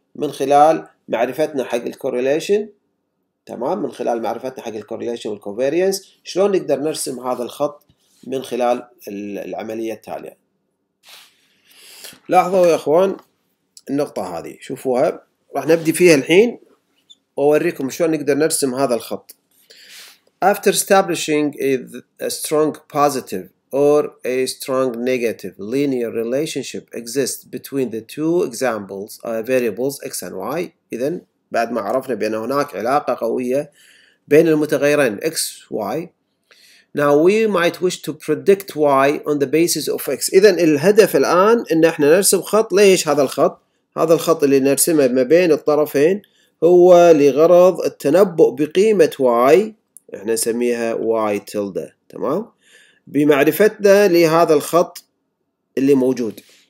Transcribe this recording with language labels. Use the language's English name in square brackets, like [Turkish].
[Arabic] من خلال معرفتنا حق الكوريليشن، تمام، من خلال معرفتنا حق الكوريليشن والكوفيريانس شلون نقدر نرسم هذا الخط من خلال العملية التالية. لاحظوا يا اخوان النقطة هذه، شوفوها، راح نبدي فيها الحين واوريكم شلون نقدر نرسم هذا الخط. [English] After establishing a strong positive or a strong negative linear relationship exists between the two examples variables x and y، [Arabic] اذا بعد ما عرفنا بان هناك علاقة قوية بين المتغيرين x y، [English] now we might wish to predict y on the basis of x. [Arabic] اذا الهدف الان ان احنا نرسم خط. ليش هذا الخط؟ هذا الخط اللي نرسمه ما بين الطرفين هو لغرض التنبؤ بقيمة y، احنا نسميها y tilde، تمام، بمعرفتنا لهذا الخط اللي موجود.